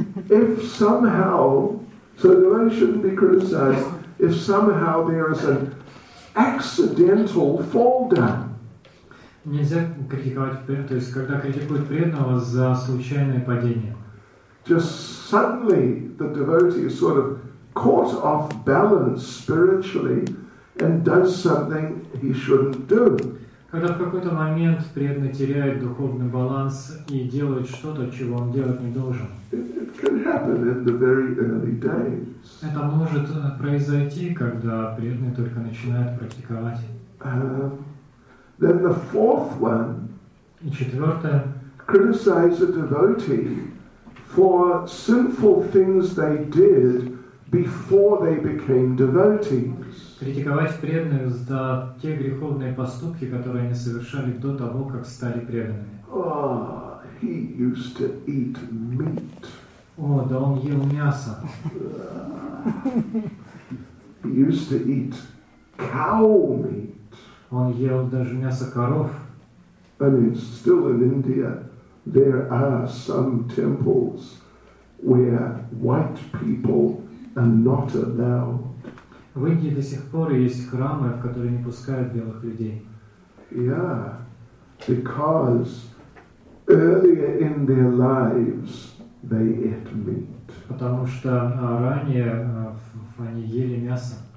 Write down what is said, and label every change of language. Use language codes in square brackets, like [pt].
[en] If somehow, so the one shouldn't be criticized. If somehow there is an accidental fall down. [ru] Нельзя критиковать, то есть когда критикуют преданного за случайное падение. [en] Just suddenly the devotee is sort of caught off balance spiritually and does something he shouldn't do. [ru] Когда в какой-то момент преданный теряет духовный баланс и делает что-то, чего он делать не должен. [en] It can happen in the very early days. [ru] Это может произойти, когда преданный только начинает практиковать. [en] Then the fourth one. [ru] И четвертое. [en] Criticize a devotee for sinful things they did before they became devotees. [ru] Критиковать преданных за те греховные поступки, которые они совершали до того, как стали преданными. [en] Oh, he used to eat meat. [ru] О, да он ел мясо. [en] He used to eat cow meat. [ru] Он ел даже мясо коров. [en] I mean, still in India, there are some temples where white people and not allowed. [ru] В Индии до сих пор есть храмы, в которые не пускают белых людей. [en] Yeah, because earlier in their lives they ate meat. [ru] Потому что ранее они ели мясо.